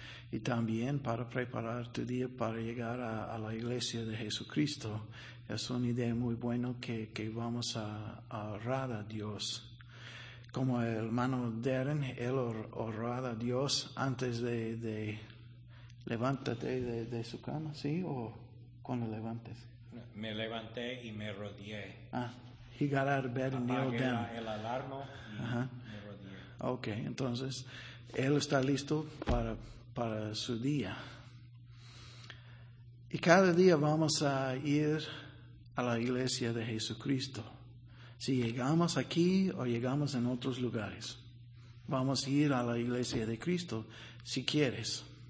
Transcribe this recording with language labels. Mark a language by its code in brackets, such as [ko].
[es] Y también para preparar tu día para llegar a la iglesia de Jesucristo. Es una idea muy buena que vamos a orar a Dios. Como el hermano Darren, él oró a Dios antes de levántate de su cama, ¿sí? ¿O cuando levantes? Me levanté y me rodeé. [en] Ah, he got out of bed and kneeled down. [es] Apagué el alarma y me rodeé. Ok, entonces, él está listo para su día. Y cada día vamos a ir a la iglesia de Jesucristo. Si llegamos aquí o llegamos en otros lugares, vamos a ir a la iglesia de Cristo si quieres.